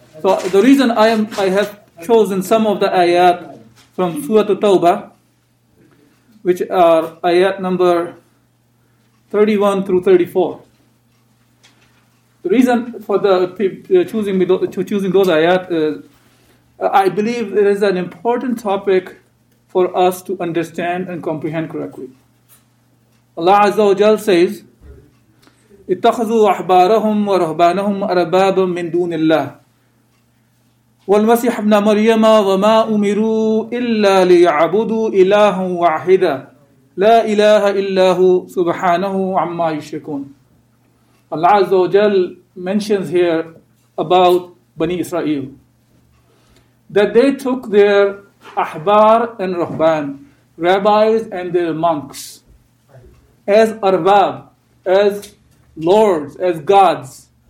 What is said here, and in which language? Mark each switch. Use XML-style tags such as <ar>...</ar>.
<en>So the reason I have chosen some of the ayat from Surah At-Tawbah, which are ayat number 31 through 34. The reason for choosing those ayat is I believe it is an important topic for us to understand and comprehend correctly. Allah Azza wa Jal says,</en> <ar>اتخذوا أحبارهم ورهبانهم أربابا من دون الله والمسيح ابن مريم وما أمروا إلا ليعبدوا إلها واحدا لا إله إلا هو سبحانه عما يشركون.</ar> <en>Allah Azza wa Jal mentions here about Bani Israel that they took their ahbar and rahban, rabbis and their monks, as arbab, as lords, as gods.</en>